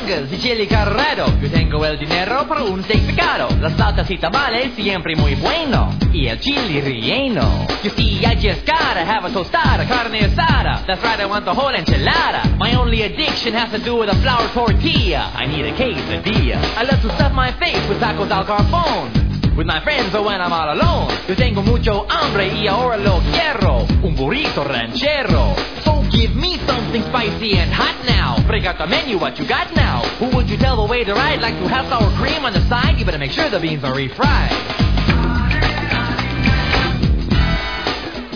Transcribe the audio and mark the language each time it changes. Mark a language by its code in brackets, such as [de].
[es] Y Chili Carrero, yo tengo el dinero para un steak picado. La salsa y tamales, siempre muy bueno. [en] Y el chili relleno. You see, I just gotta have a tostada, carne asada. That's right, I want the whole enchilada. My only addiction has to do with a flour tortilla. I need a quesadilla. I love to stuff my face with tacos al carbón. With my friends or when I'm all alone. [es] Yo tengo mucho hambre y ahora lo quiero. Un burrito ranchero. [en] So give me something spicy and hot now. Break out the menu, what you got now? Who would you tell the waiter I'd like to have sour cream on the side? You better make sure the beans are refried.